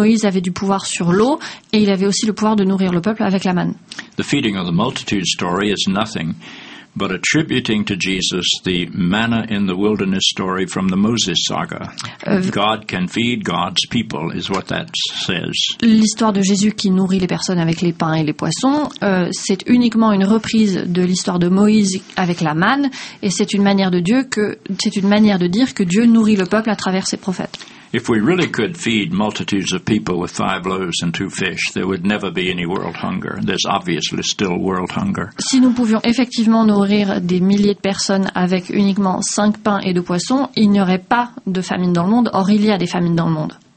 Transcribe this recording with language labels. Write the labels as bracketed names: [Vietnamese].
[French] Moïse avait du pouvoir sur l'eau et il avait aussi le pouvoir de nourrir le peuple avec la manne. [English] The feeding of the multitude story is nothing but attributing to Jesus the manna in the wilderness story from the Moses saga. God can feed God's people is what that says. [French] L'histoire de Jésus qui nourrit les personnes avec les pains et les poissons, c'est uniquement une reprise de l'histoire de Moïse avec la manne, et c'est une manière de Dieu que c'est une manière de dire que Dieu nourrit le peuple à travers ses prophètes. [English] If we really could feed multitudes of people with five loaves and two fish, there would never be any world hunger. There's obviously still world hunger. [French] Si nous pouvions effectivement nourrir des milliers de personnes avec uniquement cinq pains et deux poissons, il n'y aurait pas de famine dans le monde. Or, il y a des famines dans le monde.